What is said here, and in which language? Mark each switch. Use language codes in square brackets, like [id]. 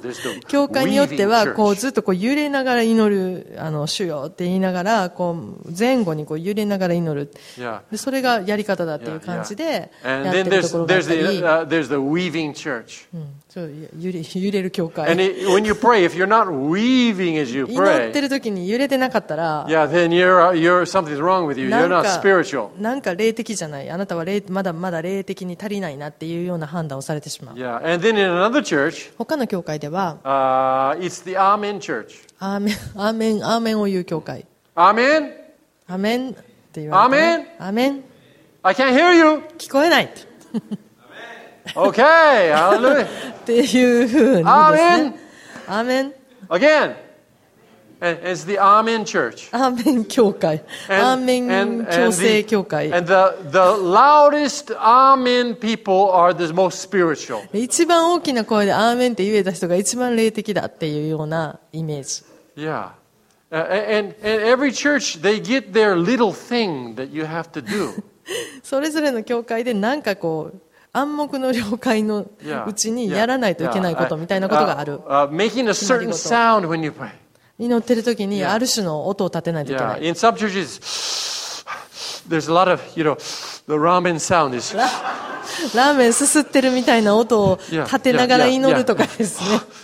[en] There's the [ja] 教会によってはこうずっとこう揺れながら祈る、あの主よって言いながらこう前後にこう揺れながら祈る、 [en] yeah. [ja] でそれがやり方だっていう感じでやってるところがあったり、 [en] there's the weaving church. [ja] そう、揺れる教会。 [en] And it, when you pray, if you're not weaving as you pray, [ja] 祈ってる時に揺れてなかったら、 [en] yeah, then you're something's wrong with you. You're not spiritual. [ja] なんか霊的じゃない。あなたはまだ霊的に足りないなっていうような判断をされてしまう。 [en] Yeah. And then in another church, [ja] 他の教会では、 [en] it's the Amen church. [ja] アーメンを言う教会。 [en] Amen. [ja] Amen. って言われる。 [en] Amen. Amen. I can't hear you. [ja] 聞こえない。 [en] Okay. Hallelujah. [ja] っていう風にですね。 [en] Amen. Amen. Again. It's the Amen church. [ja] Amen 教会。Amen 共生教会。 [en] And the loudest Amen people are the most spiritual. [ja] 一番大きな声で Amen って言えた人が一番霊的だっていうようなイメージ。 [en] Yeah. And every church, they get their little thing that you have to do. [ja] それぞれの教会でなんかこう、暗黙の了解のうちにやらないといけないことみたいなことがある。 [en] Making a certain sound when you pray. [ja] 祈ってる時にある種の音を立てないといけない。 [en] Yeah. In some churches, there's a lot of, you know, the ramen sound is. [ja] ラーメンすすってるみたいな音を立てながら祈るとかですね。